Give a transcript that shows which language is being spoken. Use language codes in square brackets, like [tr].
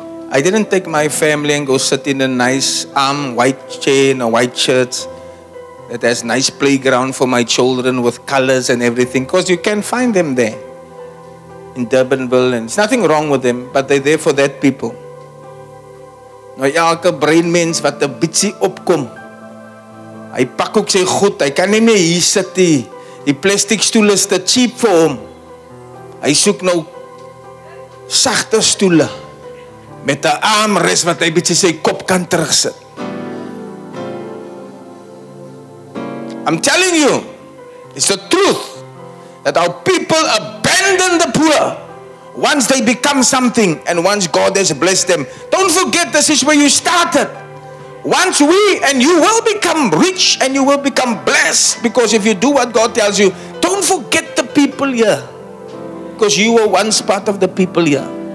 [en] I didn't take my family and go sit in a nice white chair and a white shirt that has nice playground for my children with colors and everything, because you can't find them there in Durbanville, and it's nothing wrong with them, but they're there for that people. [af] Nou ja, elke brein mens wat 'n bietjie opkom, hy pak ook sy goed, hy kan nie meer hier sit nie. Die plastic stoel is te cheap vir hom. Hy soek nou sagte stoele met 'n armrest wat hy bietjie sy kop kan terugsit. [en] I'm telling you, it's the truth that our people abandon the poor once they become something and once God has blessed them. Don't forget, this is where you started. Once we and you will become rich and you will become blessed, because if you do what God tells you, don't forget the people here, because you were once part of the people here.